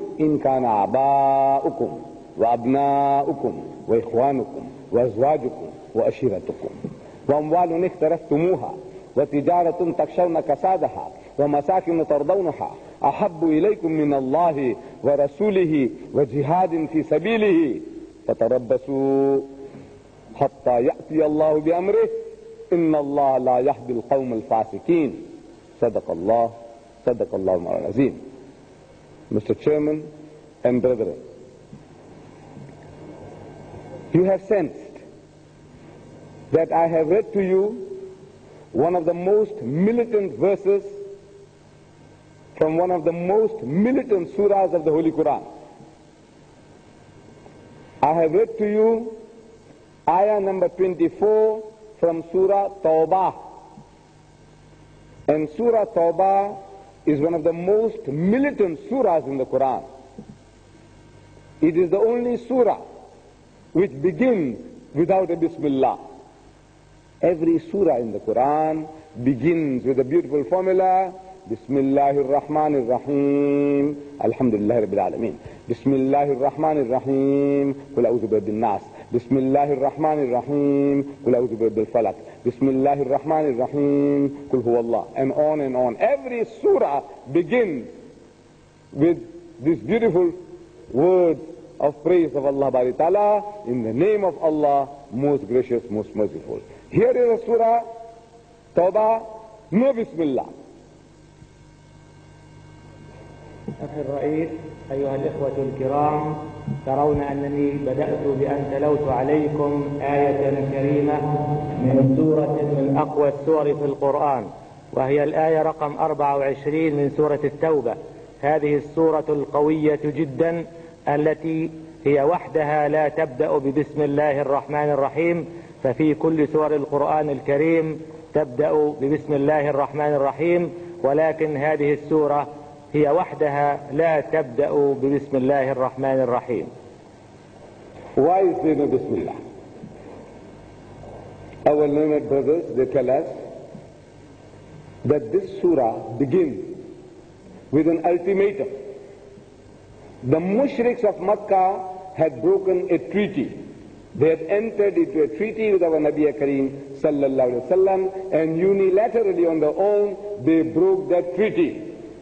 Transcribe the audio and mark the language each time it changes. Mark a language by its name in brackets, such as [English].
[Arabic] إن كان أعباؤكم وأبناؤكم وإخوانكم وأزواجكم وأشيرتكم وأموال اخترفتموها وتجارة تخشون كسادها ومساكن ترضونها أحب إليكم من الله ورسوله وجهاد في سبيله فتربصوا حتى يأتي الله بأمره إن الله لا يهدي القوم الفاسقين. صدق الله صدق الله العظيم. [English] Mr. Chairman and brethren, you have sensed that I have read to you one of the most militant verses from one of the most militant surahs of the Holy Quran. I have read to you ayah number 24 from Surah Tawbah. And Surah Tawbah is one of the most militant surahs in the Quran. It is the only surah which begins without a bismillah. Every surah in the Quran begins with a beautiful formula, [Arabic] Bismillahir Rahmanir Rahim, Alhamdulillah Rabbil Alameen. Bismillahir Rahmanir Rahim, Qul A'udhu bi Rabbin Nas. بسم الله الرحمن الرحيم قل أعوذ برب الفلق بسم الله الرحمن الرحيم قل هو الله [English] and on and on. Every surah begins with this beautiful word of praise of Allah Bari Ta'ala, in the name of Allah, most gracious, most merciful. Here is a surah, Tawbah, no bismillah. [Arabic] أخي الرئيس، أيها الإخوة الكرام، ترون أنني بدأت بأن تلوت عليكم آية كريمة من سورة من أقوى السور في القرآن، وهي الآية رقم 24 من سورة التوبة. هذه السورة القوية جدا التي هي وحدها لا تبدأ ببسم الله الرحمن الرحيم، ففي كل سور القرآن الكريم تبدأ ببسم الله الرحمن الرحيم، ولكن هذه السورة هي وحدها لا تبدأ ببسم الله الرحمن الرحيم. [English] Why is there no bismillah? Our learned brothers, they tell us that this surah begins with an ultimatum. The mushriks of Makkah had broken a treaty. They had entered into a treaty with our Nabi Kareem sallallahu alaihi wasallam, and unilaterally on their own they broke that treaty.